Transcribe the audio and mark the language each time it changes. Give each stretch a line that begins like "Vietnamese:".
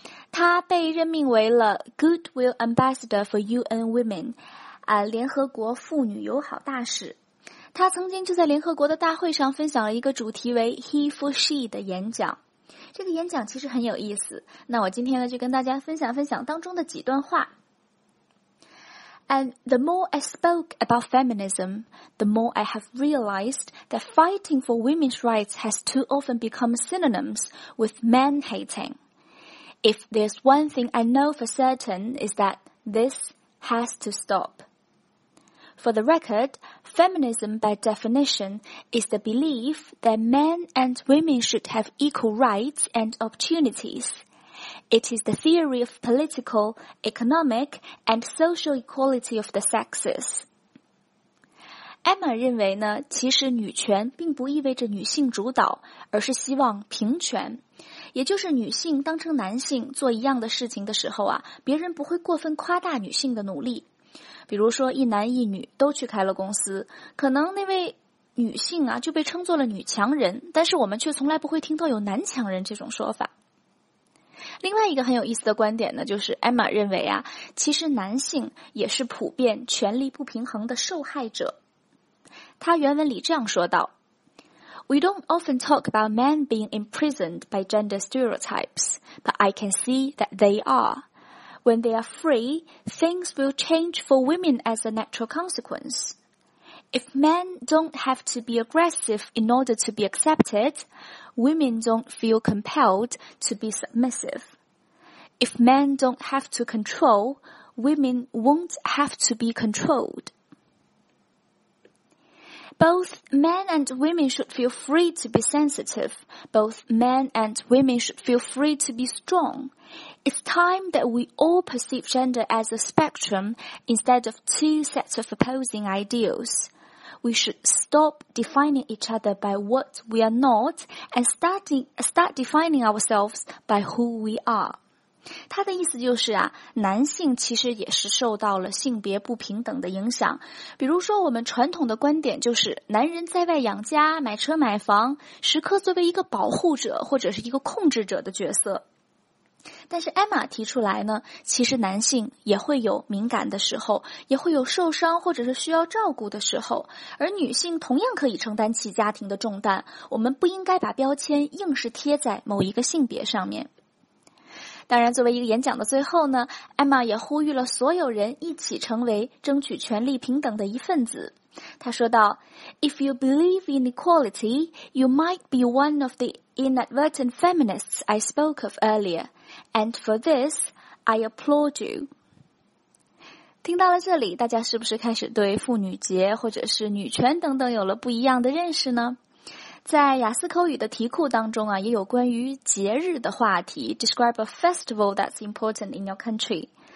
Chinese: 她被任命为了 Goodwill Ambassador for UN Women， 联合国妇女友好大使。她曾经就在联合国的大会上分享了一个主题为 He for She 的演讲。这个演讲其实很有意思，那我今天呢就跟大家分享分享当中的几段话。
English: And the more I spoke about feminism, the more I have realized that fighting for women's rights has too often become synonyms with man-hating. If there's one thing I know for certain is that this has to stop. For the record, feminism by definition is the belief that men and women should have equal rights and opportunities. It is the theory of political, economic, and social equality of the sexes.
Chinese: Emma 认为呢，其实女权并不意味着女性主导，而是希望平权。也就是女性当成男性做一样的事情的时候啊，别人不会过分夸大女性的努力。比如说一男一女都去开了公司，可能那位女性啊就被称作了女强人，但是我们却从来不会听到有男强人这种说法。另外一个很有意思的观点呢，就是 Emma 认为啊，其实男性也是普遍权力不平衡的受害者。他原文里这样说道，
English: We don't often talk about men being imprisoned by gender stereotypes, but I can see that they are. When they are free, things will change for women as a natural consequence. If men don't have to be aggressive in order to be accepted, women don't feel compelled to be submissive. If men don't have to control, women won't have to be controlled. Both men and women should feel free to be sensitive. Both men and women should feel free to be strong. It's time that we all perceive gender as a spectrum instead of two sets of opposing ideals. We should stop defining each other by what we are not and start defining ourselves by who we are.
Chinese: 他的意思就是啊，男性其实也是受到了性别不平等的影响。比如说我们传统的观点就是男人在外养家，买车买房，时刻作为一个保护者或者是一个控制者的角色。但是 Emma 提出来呢，其实男性也会有敏感的时候，也会有受伤或者是需要照顾的时候，而女性同样可以承担起家庭的重担，我们不应该把标签硬是贴在某一个性别上面。当然作为一个演讲的最后呢， Emma 也呼吁了所有人一起成为争取权利平等的一份子。她说道，
English: If you believe in equality, you might be one of the inadvertent feminists I spoke of earlier. And for this, I applaud you.
Chinese: 听到了这里，大家是不是开始对妇女节或者是女权等等有了不一样的认识呢？在雅思口语的题库当中啊，也有关于节日的话题 ,
English: describe a festival that's important in your country.